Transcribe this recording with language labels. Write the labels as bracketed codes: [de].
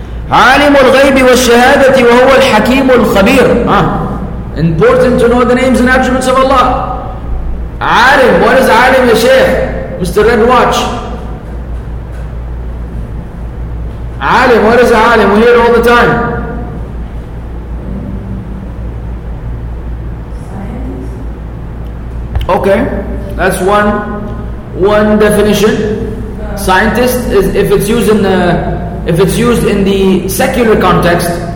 [ar] عالم الغيب والشهادة وهو الحكيم الخبير. [en] Important to know the names and attributes of Allah. [ar] عالم, [en] what is [ar] عالم يا شيخ? [en] Mr. Red Watch. عالم, what is عالم? We hear it all the time. Okay, that's one definition. Scientist is, if it's used in the secular context.